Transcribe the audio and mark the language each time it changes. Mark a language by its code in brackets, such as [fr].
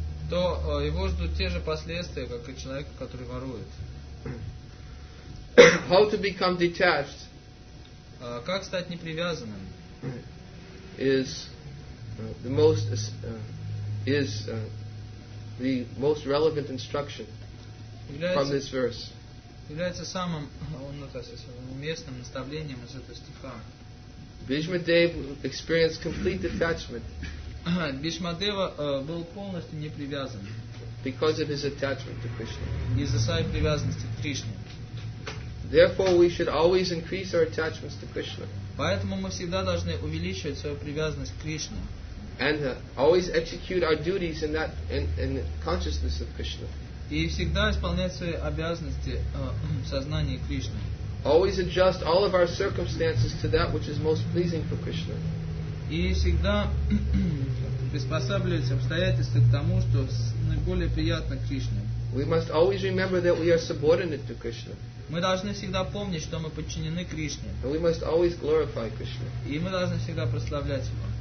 [ru] То его ждут те же последствия, как и человека, который ворует. [en] How to become detached? [ru] Как стать непривязанным? [en] Is the most relevant instruction from this verse. [ru] Является самым уместным наставлением из этого стиха. [en] Bhishma Dev experienced complete detachment. [ru] Bhishma Deva был полностью непривязан. [en] Because of his attachment to Krishna. [ru] Из-за своей привязанности к Кришне. [en] Therefore, we should always increase our attachments to Krishna. [ru] Поэтому мы всегда должны увеличивать свою привязанность к Кришне. [en] And always execute our duties in consciousness of Krishna. [ru] И всегда исполнять свои обязанности в сознании Кришны. [en] Always adjust all of our circumstances to that which is most pleasing for Krishna. [ru] И всегда приспосабливать обстоятельства к тому, что наиболее приятно Кришне. [en] We must always remember that we are subordinate to Krishna. [ru] Мы должны всегда помнить, что мы подчинены Кришне. [en] And we must always glorify Krishna. [ru] И мы должны всегда прославлять Его.